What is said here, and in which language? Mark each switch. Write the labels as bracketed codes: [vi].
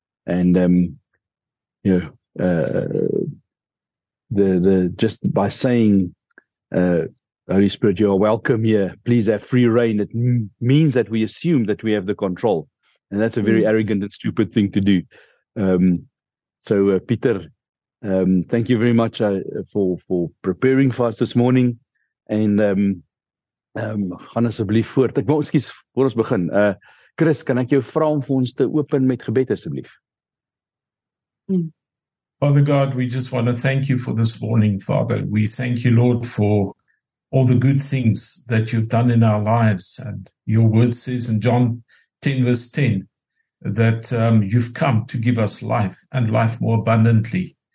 [en] And just by saying, Holy Spirit, you are welcome here. Please have free reign. It means that we assume that we have the control, and that's a very arrogant and stupid thing to do. Peter, thank you very much for preparing for us this morning. [af] And gaan asseblief voort. Ek wil ekskuus voor ons begin. Chris, kan ek jou vra om vir ons te open met gebed asseblief? [en] Father God, we just want to thank you for this morning, Father. We thank you, Lord, for all the good things that you've done in our lives. And your word says in John 10, verse 10, that you've come to give us life and life more abundantly.